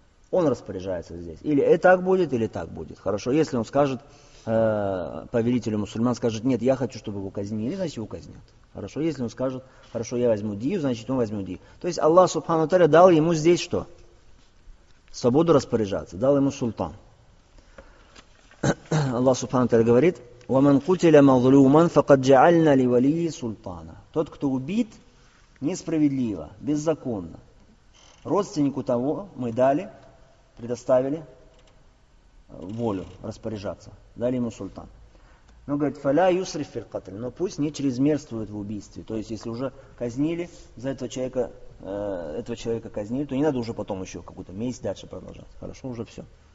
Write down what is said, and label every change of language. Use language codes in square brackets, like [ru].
[ru] Он распоряжается здесь. Или это так будет, или так будет. Хорошо, если он скажет, повелителю мусульман скажет, нет, я хочу, чтобы его казнили, значит его казнят. Хорошо, если он скажет, хорошо, я возьму дию, значит он возьмет дию. То есть Аллах Субхану Таля дал ему здесь что? Свободу распоряжаться, дал ему султан. Аллах Субхану Таля говорит, [ar] وَمَنْ قُتِلَ مَظْلُومًا فَقَدْ جَعَلْنَا لِوَلِيِّ سُلْطَانًا. [ru] Тот, кто убит несправедливо, беззаконно, родственнику того мы дали, предоставили волю распоряжаться, дали ему султан. Но говорит, [ar] فَلَا يُسْرِفْ فِي الْقَتْلِ, [ru] но пусть не чрезмерствует в убийстве. То есть, если уже казнили за этого человека казнили, то не надо уже потом еще какую-то месть дальше продолжать. Хорошо, уже все.